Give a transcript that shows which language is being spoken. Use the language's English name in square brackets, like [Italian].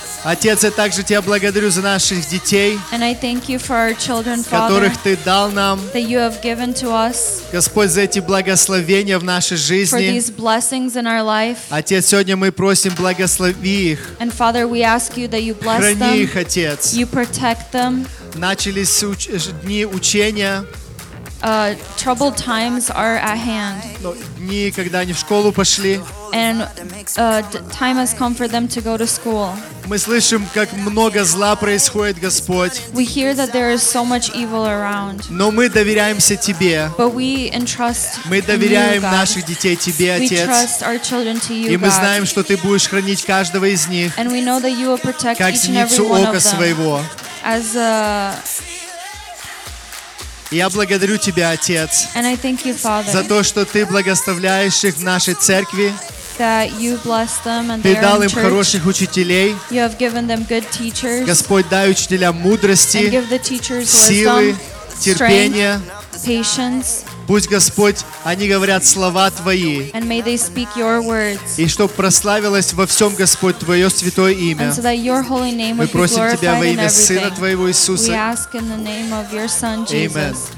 [Russian] Отец, я также Тебя благодарю за наших детей, [English] and I thank you for our children, [Russian] которых [English] Father, [Russian] Ты дал нам. [English] That you have given to us. [Russian] Господь, за эти благословения в нашей жизни. [English] For these blessings in our life. [Russian] Отец, сегодня мы просим, благослови их. [English] And Father, we ask you that you bless [Russian] Храни [English] them. [Russian] Их, Отец. [English] You protect them. [Russian] Начались дни учения. [English] Troubled times are at hand. [Russian] Дни, когда они в школу пошли. [English] And time has come for them to go to school. [Russian] Мы слышим, как много зла происходит, Господь. [English] We hear that there is so much evil around. [Russian] Но мы доверяемся Тебе. [English] But we entrust you, God. [Russian] Мы доверяем наших детей Тебе, Отец. [English] We trust our children to you, [Russian] God. И мы знаем, что Ты будешь хранить каждого из них. [English] And we know that you will protect each and every one of them. [Russian] Как зеницу ока своего. [English] As a [Russian] Я благодарю Тебя, Отец, [English] you, Father, [Russian] за то, что Ты благословляешь их в нашей церкви. Ты дал им хороших учителей. [English] You have given them good teachers. [Russian] Господь, дай учителям мудрости, [English] and give the teachers wisdom, [Russian] силы, терпения. [English] Strength, patience. [Russian] Пусть, Господь, они говорят слова Твои. [English] And may they speak your words. [Russian] И чтоб прославилось во всем, Господь, Твое святое имя. [English] And so that your holy name [Russian] Мы просим Тебя во имя Сына Твоего Иисуса. [English] We ask in the name of your Son, Jesus.